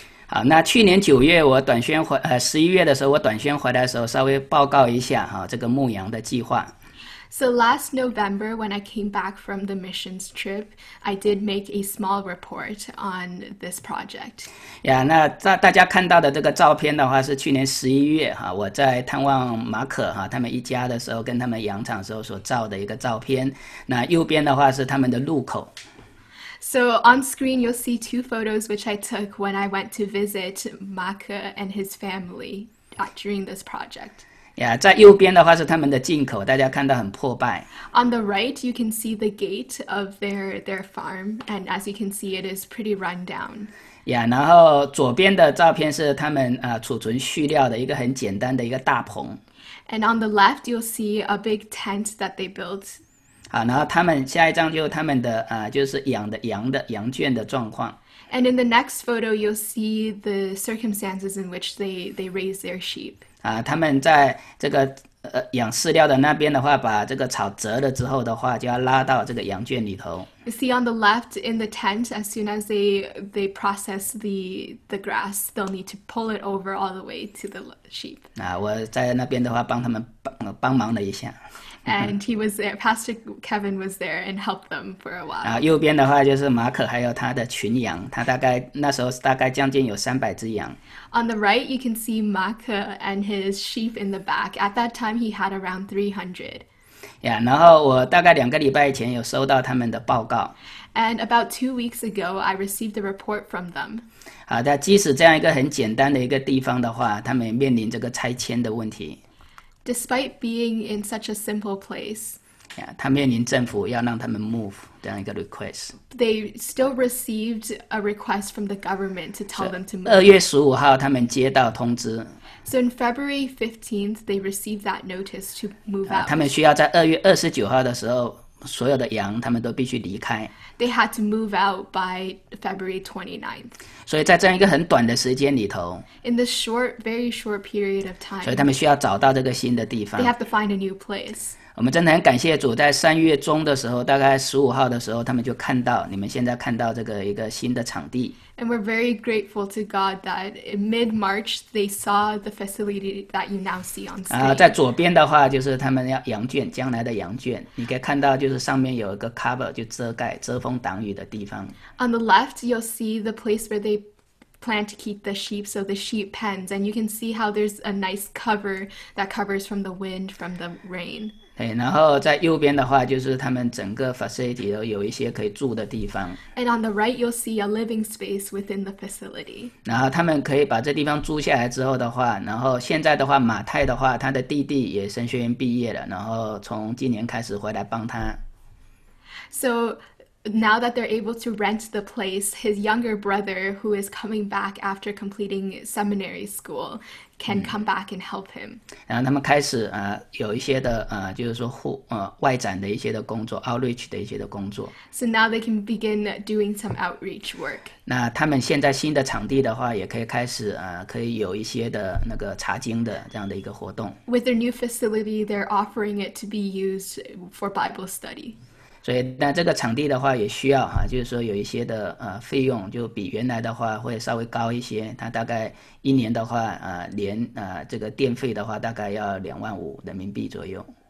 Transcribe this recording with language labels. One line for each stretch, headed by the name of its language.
Chinese: 好，那去年九月我短宣回十一月的时候，我短宣回来的时候，稍微报告一下哈这个牧羊的计划。
English: So last November, when I came back from the missions trip, I did make a small report on this project.
Chinese: Yeah, 那大家看到的这个照片的话，是去年十一月哈，我在探望马可哈他们一家的时候，跟他们羊场的时候所照的一个照片。那右边的话是他们的路口。
English: So on screen, you'll see two photos which I took when I went to visit Maka and his family during this project.
Chinese: Yeah, 在右边的话是他们的进口，大家看到很破败。
English: On the right, you can see the gate of their farm, and as you can see, it is pretty run down.
Chinese: Yeah, 然后左边的照片是他们储存畜料的一个很简单的一个大棚。
English: And on the left, you'll see a big tent that they built.
Chinese: 好，然后他们下一张就是他们的就是羊圈的状况。
English: And in the next photo, you'll see the circumstances in which they raise their sheep.
Chinese: 他们在这个养饲料的那边的话，把这个草折了之后的话，就要拉到这个羊圈里头。
English: You see on the left in the tent, as soon as they process the grass, they'll need to pull it over all the way to the sheep.
Chinese: 我在那边的话帮他们 帮忙了一下。
English: And he was there, Pastor Kevin was there and helped them for a while.
Chinese: 右边的话就是马可还有他的群羊，他大概那时候大概将近有300只羊。
English: On the right, you can see Maka and his sheep in the back. At that time, he had around 300.
Chinese: Yeah, 然后我大概两个礼拜前有收到他们的报告。
English: And about 2 weeks ago, I received a report from them.
Chinese: 好的，即使这样一个很简单的一个地方的话，他们也面临这个拆迁的问题。
English: Despite being in such a simple place,
Chinese: yeah, 他面临政府要让他们 move 这样一个 request.
English: They still received a request from the government to tell them to move.
Chinese: 2月15号他们接到通知。
English: So in February 15th, they received that notice to move out.
Chinese: 他们需要在2月29号的时候，所有的羊他们都必须离开。
English: They had to move out by February 29th.
Chinese: 所以在这样一个很短的时间里头，
English: In this short, very short period of time,
Chinese: 所以他们需要找到这个新的地方。
English: They have to find a new place.
Chinese: 我们真的很感谢主，在三月中的时候，大概十五号的时候，他们就看到你们现在看到这个一个新的场地。
English: And we're very grateful to God that in mid-March they saw the facility that you now see on screen.
Chinese: 在左边的话就是他们要羊圈，将来的羊圈，你可以看到就是上面有一个 cover 就遮盖遮风挡雨的地方。
English: On the left, you'll see the place where they plan to keep the sheep, so the sheep pens, and you can see how there's a nice cover that covers from the wind, from the rain.
Chinese: 对，然后在右边的话就是他们整个 facility 都有一些可以住的地方。
English: And on the right, you'll see a living space within the facility.
Chinese: 然后他们可以把这地方租下来之后的话，然后现在的话，马太的话，他的弟弟也神学院毕业了，然后从今年开始回来帮他。
English: So,Now that they're able to rent the place, his younger brother, who is coming back after completing seminary school, can come back and help him.
Chinese: 然后他们开始有一些的就是说外展的一些的工作 ，outreach 的一些的工作。
English: So now they can begin doing some outreach work.
Chinese: 那他们现在新的场地的话，也可以开始可以有一些的那个查经的这样的一个活动。
English: With their new facility, they're offering it to be used for Bible study.
Chinese: 所以那这个场地的话也需要就是说有一些的费用就比原来的话会稍微高一些，它大概一年的话连这个电费的话大概要25,000人民币左右。